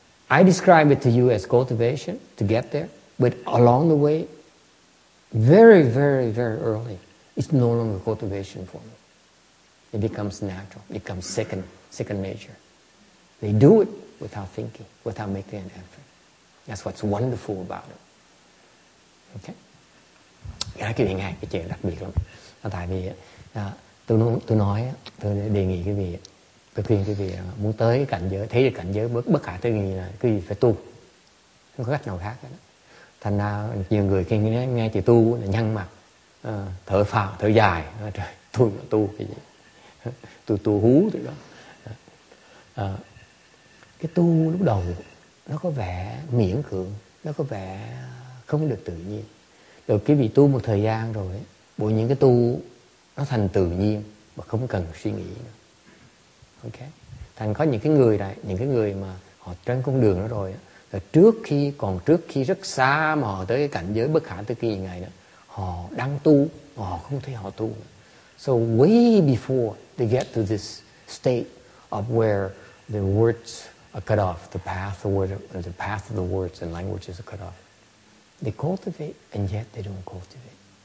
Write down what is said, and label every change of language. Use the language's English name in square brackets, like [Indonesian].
[English] I describe it to you as cultivation to get there, but along the way, very, very, very early, it's no longer cultivation for me. It becomes natural, it becomes second nature. They do it without thinking, without making an effort. That's what's wonderful about it. Okay? [Vietnamese] Cái chuyện này, cái chuyện đặc biệt lắm. Tại vì, tôi nói, tôi đề nghị quý vị, tôi khuyên quý vị muốn tới cảnh giới, thấy được cảnh giới bất khả tư nghị là quý vị phải tu. Không có cách nào khác. Đó. Thành ra nhiều người khi nghe chị tu là nhăn mặt, thở phào, thở dài. Trời, tôi mà tu cái gì? Tôi hú từ đó. Cái tu lúc đầu nó có vẻ miễn cưỡng, nó có vẻ không được tự nhiên. Rồi quý vị tu một thời gian rồi, bộ những cái tu nó thành tự nhiên mà không cần suy nghĩ nữa. Ok. Thành có những cái người này, những cái người mà họ trên con đường đó rồi, là trước khi rất xa mà họ tới cái cảnh giới bất khả tư nghị ngày đó, họ đang tu, họ không thấy họ tu. [English] So way before they get to this state of where the words are cut off, the path of the words and languages are cut off, they cultivate and yet they don't cultivate.